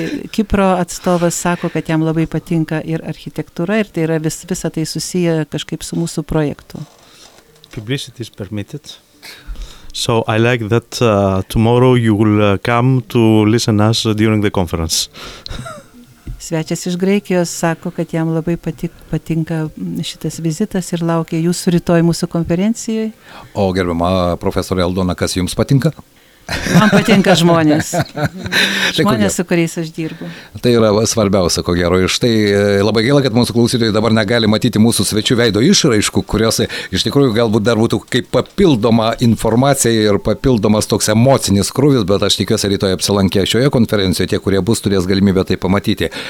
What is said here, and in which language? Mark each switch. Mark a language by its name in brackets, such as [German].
[Lithuanian] Kipro atstovas sako, kad jam labai patinka ir architektūra, ir tai yra visa tai susiję kažkaip su mūsų projektu. [English] Publicity is permitted. So I like that tomorrow you will come to listen us during the conference. [Lithuanian] Svečias iš Graikijos sako, kad jam labai patinka šitas vizitas ir laukia jūsų rytoj mūsų konferencijoje. O gerbama profesorė Aldona, kas jums patinka? Man patinka žmonės. Žmonės, su kuriais aš dirbu. Tai yra svarbiausia, ko gero. Ir štai labai gaila, kad mūsų klausytojai dabar negali matyti mūsų svečių veido išraiškų, kurios iš tikrųjų galbūt dar būtų kaip papildoma informacija ir papildomas toks emocinis krūvis, bet aš tikiuosi rytoj apsilankę šioje konferencijoje, tie, kurie bus, turės galimybę tai pamatyti.